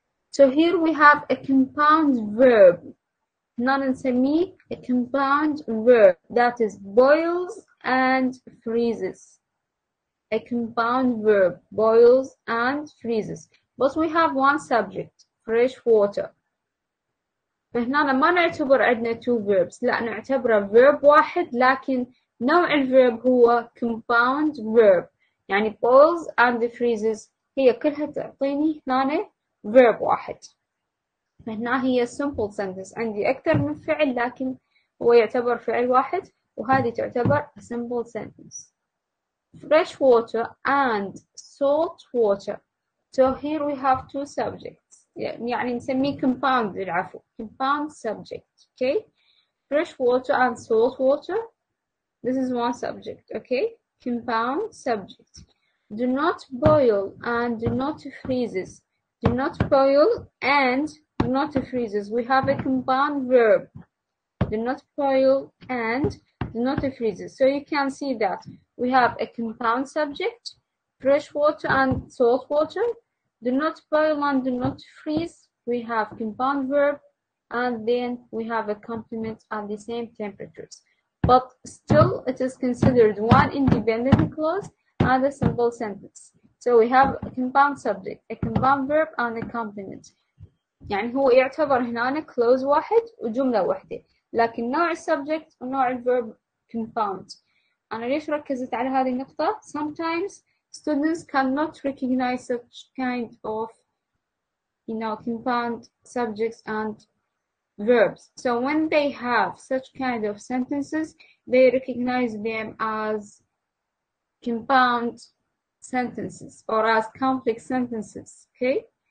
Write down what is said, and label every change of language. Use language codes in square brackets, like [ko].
[en] So here we have a compound verb. Non-semi, a compound verb. That is boils and freezes. A compound verb, boils and freezes. But we have one subject. Fresh water. [ar] فهنا ما نعتبر عندنا [en] two verbs. [ar] لا نعتبره verb واحد لكن نوع الverb هو [en] compound verb. [ar] يعني [en] boils and freezes [ar] هي كلها تعطيني هنا verb واحد. فهنا هي [en] simple sentence. [ar] عندي أكثر من فعل لكن هو يعتبر فعل واحد. وهذه تعتبر [en] a simple sentence. Fresh water and salt water. So here we have two subjects. [ar] يعني نسميه compound بالعفو. [en] Compound subject. Okay. Fresh water and salt water. This is one subject. Okay. Compound subject. Do not boil and do not freeze. Do not boil and do not freeze. We have a compound verb. Do not boil and do not freeze. So you can see that we have a compound subject, fresh water and salt water. Do not boil and do not freeze. We have compound verb. And then we have a complement at the same temperatures. But still, it is considered one independent clause and a simple sentence. So we have a compound subject, a compound verb, and a complement. [ar] يعني هو يعتبر هنا clause واحد وجملة واحدة. لكن نوع subject ونوع verb compound. أنا ليش ركزت على هذه النقطة؟ [en] Sometimes students cannot recognize such kind of, you know, compound subjects and verbs. So when they have such kind of sentences, they recognize them as compound sentences or as complex sentences. Okay.